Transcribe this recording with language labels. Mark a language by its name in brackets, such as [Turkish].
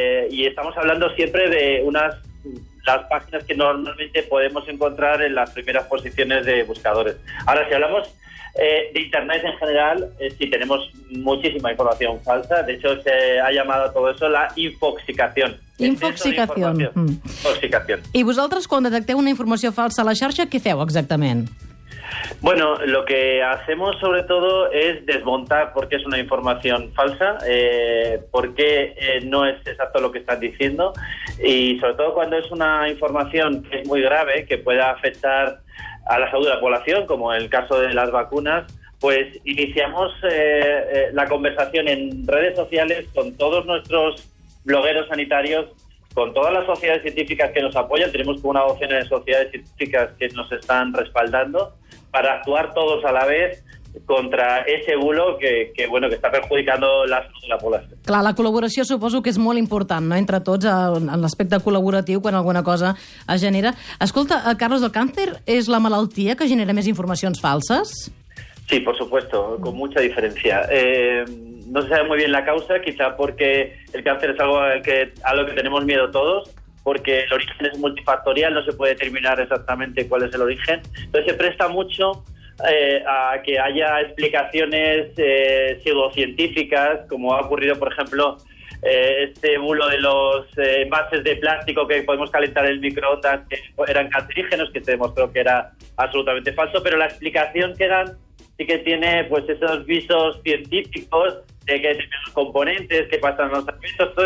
[Spanish] Y estamos hablando siempre de unas las páginas que normalmente podemos encontrar en las primeras posiciones de buscadores. Ahora, si hablamos de internet en general, sí, tenemos muchísima información falsa. De hecho, se ha llamado a todo eso la infoxicación. Infoxicación. Infoxicación. [Catalan] I vosaltres, quan detecteu una informació falsa a la xarxa, què feu exactament? [Spanish] Bueno, lo que hacemos sobre todo es desmontar por qué es una información falsa, por qué no es exacto lo que estás diciendo, y sobre todo cuando es una información que es muy grave, que pueda afectar a la salud de la población, como el caso de las vacunas, pues iniciamos la conversación en redes sociales con todos nuestros blogueros sanitarios, con todas las sociedades científicas que nos apoyan. Tenemos como una docena de sociedades científicas que nos están respaldando, para actuar todos a la vez contra ese bulo que está perjudicando la salud de la población. [Catalan] Clar, la col·laboració suposo que és molt important, no?, entre tots, en l'aspecte col·laboratiu, quan alguna cosa es genera. Escolta, Carlos, el càncer és la malaltia que genera més informacions falses? [Spanish] Sí, por supuesto, con mucha diferencia. No se sabe muy bien la causa, quizá porque el cáncer es algo a lo que tenemos miedo todos, porque el origen es multifactorial, no se puede determinar exactamente cuál es el origen. Entonces se presta mucho a que haya explicaciones pseudocientíficas, como ha ocurrido, por ejemplo, este bulo de los envases de plástico que podemos calentar el microondas, que eran cancerígenos, que se demostró que era absolutamente falso, pero la explicación que dan sí que tiene pues esos visos científicos de que tienen los componentes, que pasan los alimentos.